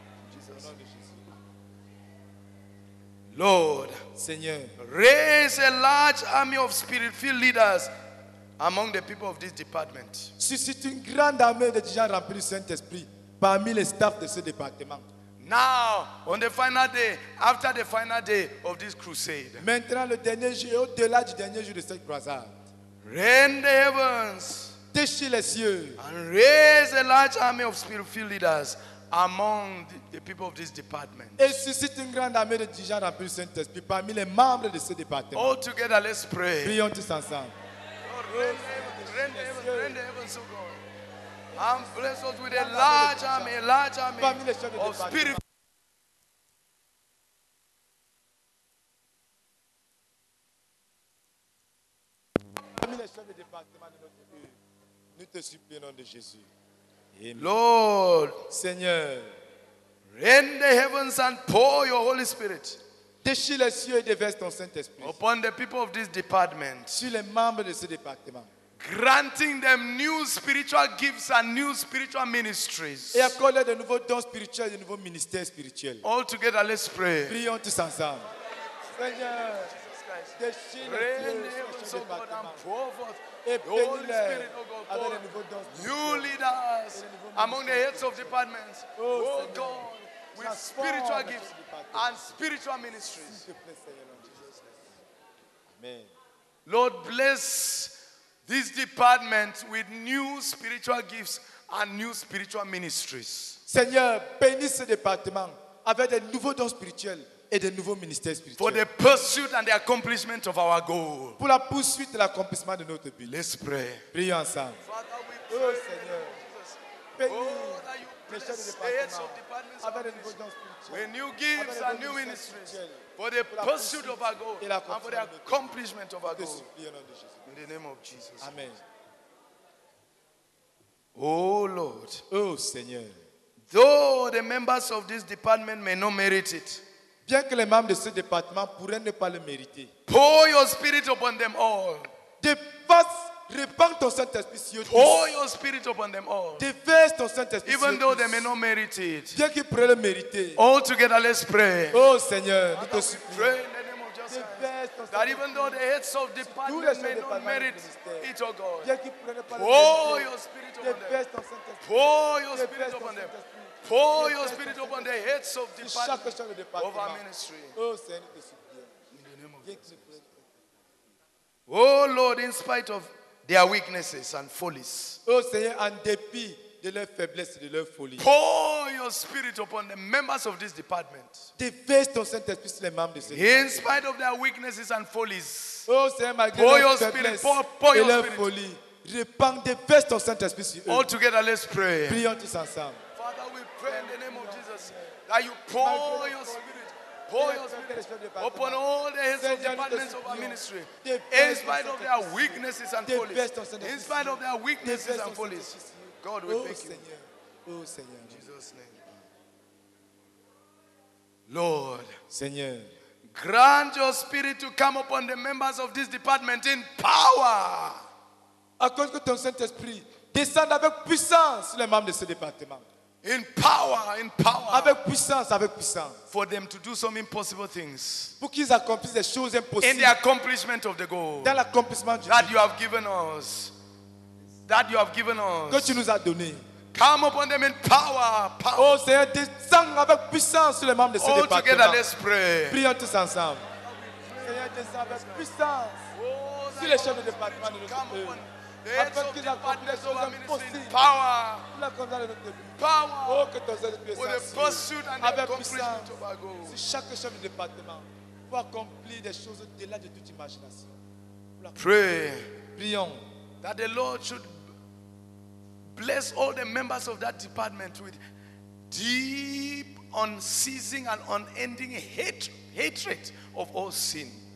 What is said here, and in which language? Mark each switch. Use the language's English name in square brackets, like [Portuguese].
[English] Jesus. Lord, [French] Seigneur, [English] raise a large army of spirit-filled leaders among the people of this department. [French] Suscite une grande armée de gens remplis du Saint-Esprit parmi les staffs de ce département. [English] Now, on the final day, after the final day of this crusade. [French] Maintenant, le dernier jour, au-delà du dernier jour de cette croisade. [English] Rend the heavens. [French] Déchire les cieux. [English] And raise a large army of spirit-filled leaders among the people of this department. [French] Et suscite une grande armée de dirigeants remplis du Saint-Esprit parmi les membres de ce département. [English] All together, let's pray. [French] Prions tous ensemble. [English] Rend the heavens, oh God. And bless us with a large army of spirit. [French] Parmi les chefs de département de notre pays, nous te supplions au nom de Jésus. [English] Lord, [French] Seigneur, [English] rend the heavens and pour your Holy Spirit. [French] Déchire les cieux et déverse ton Saint-Esprit. [English] Upon the people of this department. [French] Sur les membres de ce département. [English] Granting them new spiritual gifts and new spiritual ministries. [French] Et accorde de nouveaux dons spirituels et de nouveaux ministères spirituels. [English] All together, let's pray. [French] Prions tous ensemble. Seigneur. [English] New leaders among the heads of departments. Oh God, with spiritual gifts and spiritual ministries. Amen. Lord, bless this department with new spiritual gifts and new spiritual ministries. [French] Seigneur, bénis ce département avec des nouveaux dons spirituels. Et de nouveaux ministères spirituels. [English] For the pursuit and the accomplishment of our goal. [French] Pour la poursuite et l'accomplissement de notre but. [English] Let's pray. [French] Prions ensemble. [English] Father, we pray. [French] Oh Seigneur. Bénis [English] the heads of departments [French] avec de nouveaux dons spirituels. [English] With new gifts and new ministries. For the pursuit of our goal. And for the accomplishment of our goal. In the name of Jesus. Amen. Oh Lord. [French] Oh Seigneur. [English] Though the members of this department may not merit it. [French] Bien que les membres de ce département pourraient ne pas le mériter. [English] Pour your spirit upon them all. [French] Dépasse, répands ton Saint-Esprit sur eux. [English] Pour your spirit upon them all. [French] Déverse ton Saint-Esprit. [English] Even though they may not merit it. [French] Bien qu'ils pourraient le mériter. [English] All together, let's pray. [French] Oh Seigneur, nous te supplions. [English] That even though the heads of departments may not merit it, oh God. Pour your spirit upon them. Pour your spirit upon them. Pour your spirit upon the heads of the department of our ministry. [French] Oh, Seigneur, [English] in the name of Jesus. Oh Lord, in spite of their weaknesses and follies. [French] Oh Seigneur, en dépit de leur faiblesse et de leur folie. [English] Pour your spirit upon the members of this department. [French] Déverse ton Saint-Esprit sur les membres de ce département. [English] In spite of their weaknesses and follies. [French] Oh Seigneur, malgré leur faiblesse et leur folie. Répands, déverse ton Saint-Esprit sur eux. [English] All together, let's pray. [French] Prions tous ensemble. [English] Pray in the name of Jesus that you pour your spirit upon all the heads of departments of our ministry in spite of their weaknesses and follies. In spite of their weaknesses and follies, God will thank you. [French] Oh Seigneur, [English] in Jesus' name. Lord, [French] Seigneur, [English] grant your spirit to come upon the members of this department in power. [French] Accorde que ton Saint-Esprit descende avec puissance sur les membres de ce département. [English] In power. [French] Avec puissance. [English] For them to do some impossible things. [French] Pour qu'ils accomplissent des choses impossibles. [English] In the accomplishment of the goal. [French] Dans l'accomplissement du [English] but. That you have given us. [French] Que tu nous as donné. [English] Come upon them in power. [French] Oh Seigneur, descend avec puissance sur les membres de ce département. All together, let's pray. Prions tous ensemble. Seigneur, descend avec puissance sur les chefs de département de notre peuple. [English] That the Lord should bless all the members of that department with deep, unceasing, and unending hatred of all sin.